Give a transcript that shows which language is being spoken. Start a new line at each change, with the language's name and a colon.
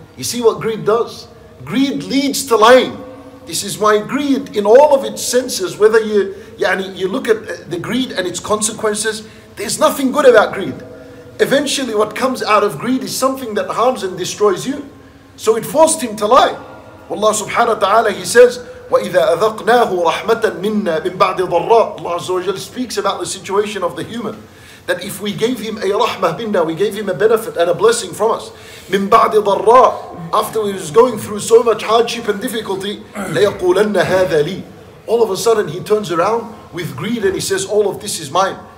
English: You see what greed does? Greed leads to lying. This is why greed, in all of its senses, whether you look at the greed and its consequences, there's nothing good about greed. Eventually, what comes out of greed is something that harms and destroys you. So it forced him to lie. Allah subhanahu wa ta'ala, he says,
Arabic: وَإِذَا أَذَقْنَاهُ رَحْمَةً مِنَّا مِنْ بَعْدِ ضَرَّةٍ.
English: Allah Azza wa Jalla speaks about the situation of the human. That if we gave him a rahmah minna, we gave him a benefit and a blessing from us.
Arabic: مِنْ بَعْدِ ضَرَّةٍ.
English: After he was going through so much hardship and difficulty,
Arabic: لَيَقُولَنَّ هَذَا لِي.
English: All of a sudden he turns around with greed and he says, all of this is mine.